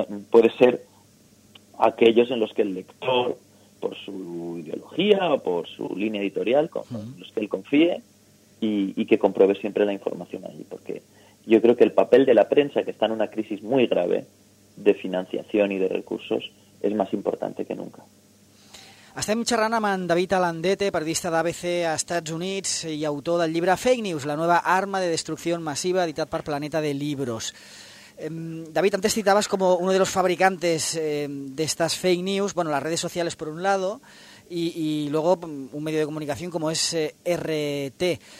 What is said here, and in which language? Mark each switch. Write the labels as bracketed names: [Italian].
[Spanish] Puede ser aquellos en los que el lector, por su ideología o por su línea editorial, en los que él confíe y que compruebe siempre la información allí. Porque yo creo que el papel de la prensa, que está en una crisis muy grave de financiación y de recursos, es más importante que nunca. [Catalan] Estem xerrant amb en David Alandete, periodista d'ABC a Estats Units i autor del llibre Fake News, la nova arma de destrucció massiva, editat per Planeta de Libros. [Spanish] David, antes citabas como uno de los fabricantes de estas fake news, bueno, las redes sociales por un lado, y luego un medio de comunicación como es RT.